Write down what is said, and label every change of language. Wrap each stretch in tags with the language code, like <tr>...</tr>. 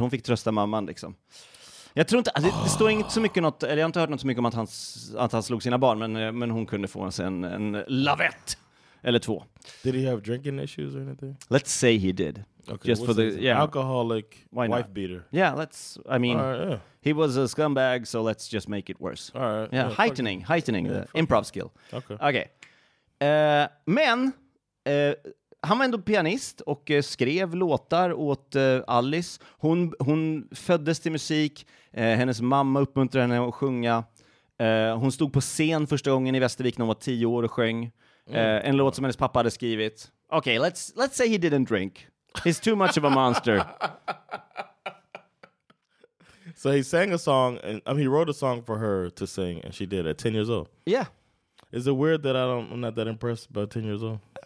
<sv>Hon fick trösta mamman, liksom. Jag tror inte... Det står inget så mycket... Eller jag har inte hört något så mycket om att han slog sina barn. Men hon kunde få en lavett. Eller två.</sv> <en>Did he have drinking issues or anything? Let's say he did. Okay, just for the alcoholic wife beater. Yeah, he was a scumbag, so let's just make it worse. All right. Yeah, heightening the improv skill. Okay.</en> <sv>Men han var ändå pianist och skrev låtar åt Alice. Hon föddes till musik. Hennes mamma uppmuntrade henne att sjunga. Hon stod på scen första gången i Västervik när hon var 10 år och sjöng. En låt som hennes pappa hade skrivit.</sv> <en>Okay, let's say he didn't drink. He's too much of a monster. So he sang a song, and he wrote a song for her to sing, and she did at 10 years old. Yeah. Is it weird that I'm not that impressed about 10 years old?</en>